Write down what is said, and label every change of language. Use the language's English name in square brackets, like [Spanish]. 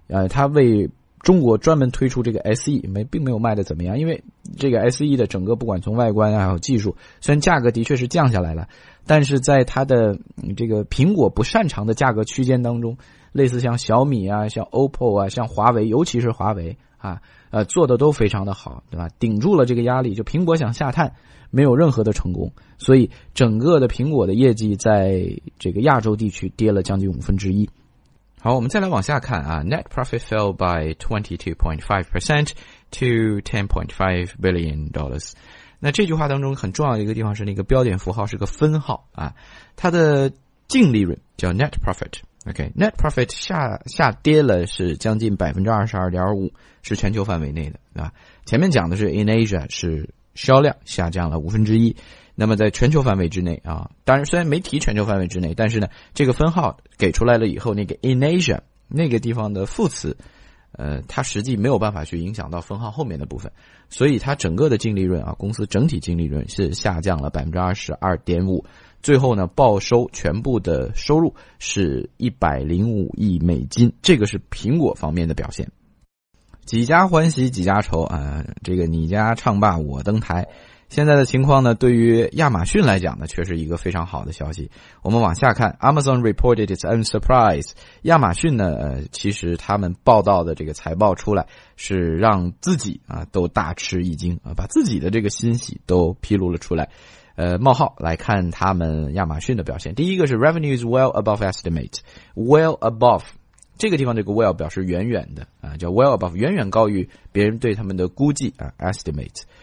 [Chinese] 它为中国专门推出这个 SE, 并没有卖的怎么样，因为这个 SE 的整个不管从外观还有技术，虽然价格的确是降下来了，但是在它的这个苹果不擅长的价格区间当中，类似像小米啊，像 OPPO 啊，像华为，尤其是华为啊，做的都非常的好，对吧，顶住了这个压力，就苹果想下探没有任何的成功，所以整个的苹果的业绩在这个亚洲地区跌了将近五分之一。好，我们再来往下看啊， [English] Net profit fell by 22.5% to $10.5 billion。 [Chinese] 那这句话当中很重要的一个地方是那个标点符号是个分号啊，它的净利润叫 Net profit,Okay, net profit 下跌了是将近 22.5%, 是全球范围内的，对吧。前面讲的是 [English] in Asia [Chinese] 是销量下降了五分之一，那么在全球范围之内啊，当然虽然没提全球范围之内，但是呢这个分号给出来了以后，那个 in Asia 那个地方的副词它实际没有办法去影响到分号后面的部分，所以它整个的净利润啊，公司整体净利润是下降了 22.5%,最后呢报收全部的收入是105亿美金，这个是苹果方面的表现。几家欢喜几家愁啊，这个你家唱罢我登台。现在的情况呢对于亚马逊来讲呢却是一个非常好的消息。我们往下看 [English] ,Amazon reported its own surprise。 [Chinese] 亚马逊呢其实他们报道的这个财报出来是让自己啊都大吃一惊啊，把自己的这个欣喜都披露了出来。冒号来看他们亚马逊的表现。第一个是 [English] revenue is well above estimate。 [Chinese] well above, 这个地方这个 well 表示远远的啊，叫 well above, 远远高于别人对他们的估计啊 ,estimate。